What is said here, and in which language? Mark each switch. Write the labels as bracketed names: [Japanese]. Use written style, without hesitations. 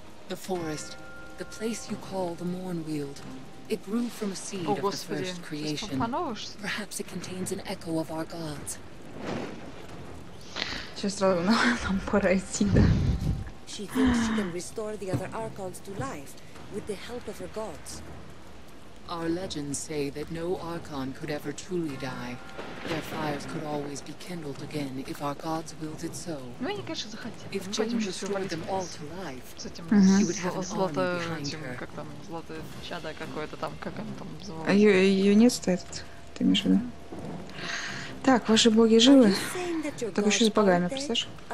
[English] The forest, the place you call the Mournweald, it grew from a seed of the first creation. Perhaps it contains an echo of our gods. [Russian] Сейчас сразу нам пора идти. [English] She thinks she can restore the other Archons to life with the help of her gods. Our legends say that no Archon could ever truly die. Their fires could always be kindled again if our gods willed it so. [Russian] Ну, они, конечно, захотели. [English] If Jane restored them all to life, she would have an army behind her. [Russian] Как там, золотое чадо какое-то там, как оно там звало? Юнец-то этот, ты имеешь в виду? Так, ваши боги живы? Так еще с богами, представляешь?